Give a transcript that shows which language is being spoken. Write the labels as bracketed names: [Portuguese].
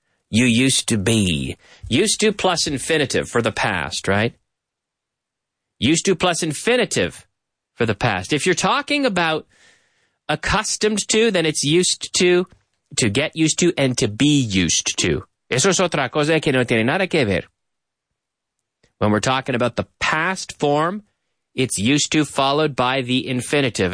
[English] You used to be. Used to plus infinitive for the past, right? Used to plus infinitive for the past. If you're talking about accustomed to, then it's used to get used to, and to be used to. [Spanish] Eso es otra cosa que no tiene nada que ver. [English] When we're talking about the past form, it's used to followed by the infinitive.